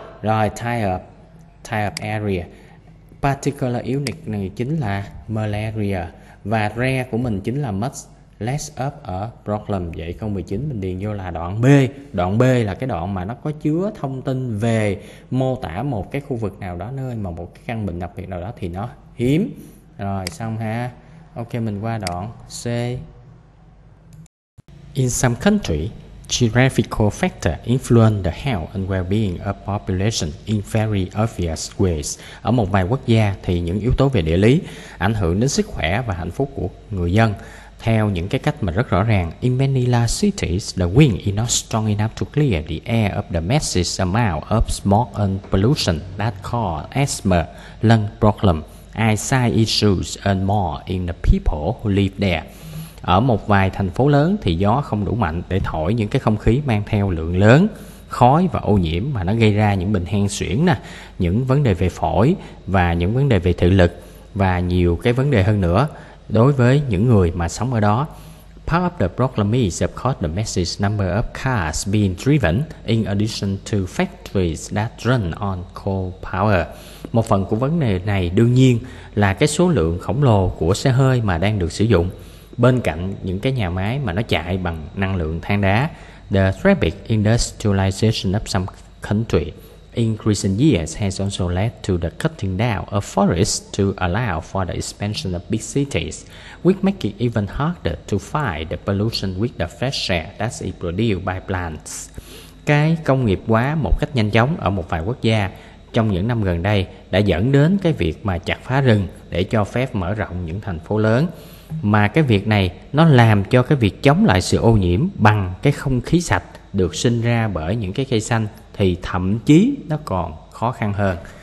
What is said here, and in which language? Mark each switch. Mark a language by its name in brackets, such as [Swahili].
[English] Rồi type of area. Particular unit [Vietnamese] này chính là [English] malaria và rare [Vietnamese] của mình chính là [English] much less of a problem. [Vietnamese] Vậy câu 19 mình điền vô là đoạn B. Đoạn B là cái đoạn mà nó có chứa thông tin về mô tả một cái khu vực nào đó, nơi mà một cái căn bệnh đặc biệt nào đó thì nó hiếm. Rồi xong ha. Ok, mình qua đoạn C. [English] In some country, geographical factor influence the health and well-being of population in very obvious ways. [Vietnamese] Ở một vài quốc gia thì những yếu tố về địa lý ảnh hưởng đến sức khỏe và hạnh phúc của người dân theo những cái cách mà rất rõ ràng. [English] In many large cities, the wind is not strong enough to clear the air of the massive amount of smog and pollution that cause asthma, lung problem, eyesight issues and more in the people who live there. [Vietnamese] Ở một vài thành phố lớn thì gió không đủ mạnh để thổi những cái không khí mang theo lượng lớn khói và ô nhiễm mà nó gây ra những bệnh hen suyễn nè, những vấn đề về phổi và những vấn đề về thị lực và nhiều cái vấn đề hơn nữa đối với những người mà sống ở đó. [English] Part of the problem is of course the massive number of cars being driven in addition to factories that run on coal power. [Vietnamese] Một phần của vấn đề này đương nhiên là cái số lượng khổng lồ của xe hơi mà đang được sử dụng bên cạnh những cái nhà máy mà nó chạy bằng năng lượng than đá. [English] The rapid industrialization of some country in recent years has also led to the cutting down of forests to allow for the expansion of big cities, which make it even harder to fight the pollution with the fresh air that is produced by plants. [Vietnamese] Cái công nghiệp hóa một cách nhanh chóng ở một vài quốc gia trong những năm gần đây đã dẫn đến cái việc mà chặt phá rừng để cho phép mở rộng những thành phố lớn, mà cái việc này nó làm cho cái việc chống lại sự ô nhiễm bằng cái không khí sạch được sinh ra bởi những cái cây xanh thì thậm chí nó còn khó khăn hơn.